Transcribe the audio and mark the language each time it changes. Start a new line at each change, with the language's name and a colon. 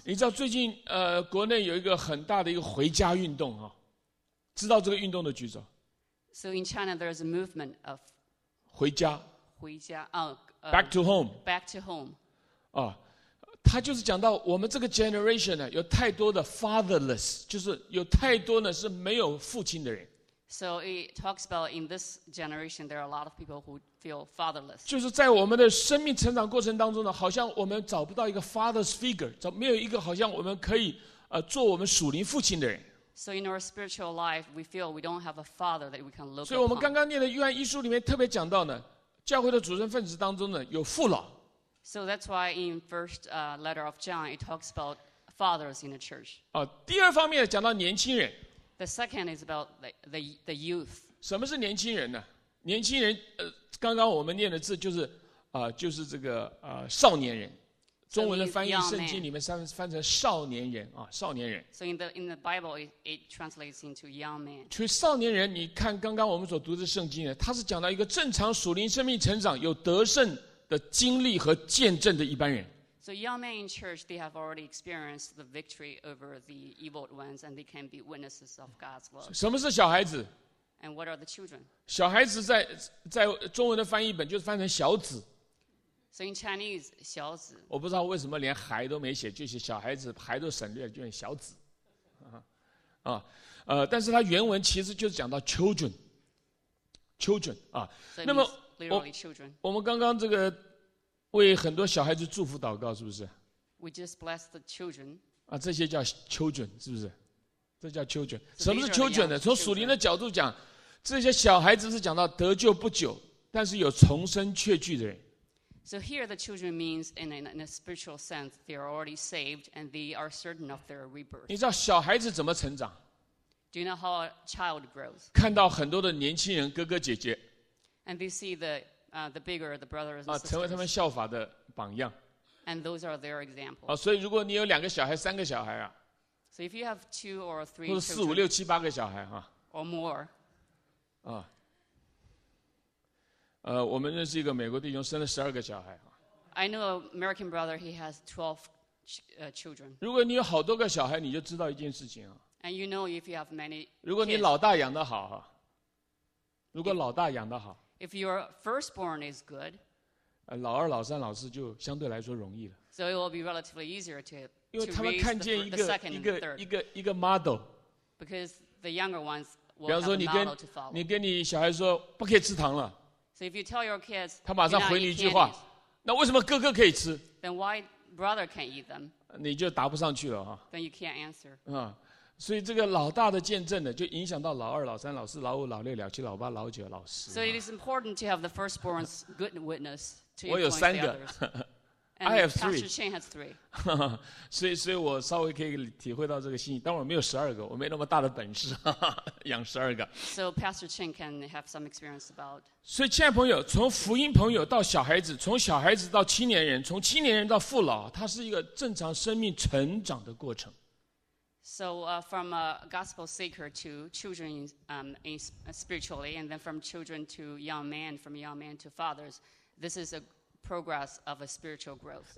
Chinese: 你知道最近国内有一个很大的一个回家运动啊，知道这个运动的举手。
English: So in China there is a movement of
Chinese: 回家。回家
English: back to home. Back to home. 啊。
Chinese: 他就是讲到我们这个 generation 呢，有太多的 fatherless， 就是有太多呢是没有父亲的人。
English: So it talks about in this generation there are a lot of people who feel fatherless。
Chinese: 就是在我们的生命成长过程当中呢，好像我们找不到一个
English: father's figure，
Chinese: 找没有一个好像我们可以做我们属灵父亲的人。
English: So in our spiritual life we feel we don't have a father that we can look upon。
Chinese: 所以我们刚刚念的约翰一书里面特别讲到呢，教会的组成分子当中呢有父老。
English: So that's why in first letter of John it talks about fathers in the church.
Chinese: 第二方面讲到年轻人。
English: The second is about the youth.
Chinese: 什么是年轻人呢？年轻人，刚刚我们念的字就是就是这个少年人。中文的翻译圣经里面翻成少年人啊，少年人。
English: So in the Bible it translates into young man.
Chinese: 所以少年人，你看刚刚我们所读的圣经呢，它是讲到一个正常属灵生命成长有得胜。的经历和见证的一般人。
English: So young men in church, they have already experienced the victory over the evil ones, and they can be witnesses of God's love.
Chinese: 什么是小孩子
English: ？And what are the children?
Chinese: 小孩子在中文的翻译本就是翻成小子。
English: So in Chinese, 小子。
Chinese: 我不知道为什么连孩都没写，就写小孩子，孩都省略，就写小子。啊，但是它原文其实就是讲到 children， children 啊。
English: So、那么 literally children.
Chinese: 我们刚刚这个为很多小孩子祝福祷告，是不是
English: ？We just bless the children.
Chinese: 啊，这些叫 children， 是不是？这叫 children。什么是 children 呢？从属灵的角度讲，这些小孩子是讲到得救不久，但是有重生确据的人。
English: So here the children means in a spiritual sense they are already saved and they are certain of their rebirth.
Chinese: 你知道小孩子怎么成长？
English: Do you know how a child grows?
Chinese: 看到很多的年轻人哥哥姐姐。
English: And they see the bigger the brothers and sisters.
Chinese: 成为他们效法的榜样。
English: And those are their examples.
Chinese: 所以如果你有两个小孩、三个小孩啊。
English: So if you have two or three.
Chinese: 或者四五六七八个小孩啊。
English: Or more. 啊。
Chinese: 我们认识一个美国弟兄生了十二个小孩。
English: I know an American brother, he has 12 children.
Chinese: 如果你有好多个小孩，你就知道一件事情啊。
English: And you know if you have many.
Chinese: 如果你老大养得好啊。如果老大养得好。
English: If your firstborn is good.
Chinese: 老二、老三、老四就相对来说容易了。
English: So it will be relatively easier to.
Chinese: 因为他们看见一个 model.
English: Because the younger ones will have a model to
Chinese: follow. 比方说你跟你小孩说不可以吃糖了。
English: So if you tell your kids,
Chinese: 他马上回你一句话，那为什么哥哥可以吃？
English: Then why brother can't eat them?
Chinese: 你就答不上去了哈。
English: Then you can't answer.
Chinese: 所以这个老大的见证呢，就影响到老二、老三、老四、老五、老六、老七、老八、老九、老十。
English: So it is important to have the firstborn's good witness to influence the others.
Chinese: 我有三个。
English: I have three. Pastor Chen has three.
Chinese: 所以我稍微可以体会到这个心意。当然我没有十二个，我没那么大的本事养十二个。
English: So Pastor Chen can have some experience about.
Chinese: 所以亲爱朋友，从福音朋友到小孩子，从小孩子到青年人，从青年人到父老，它是一个正常生命成长的过程。
English: So from a gospel seeker to children spiritually, and then from children to young men, from young men to fathers, this is a progress of a spiritual growth.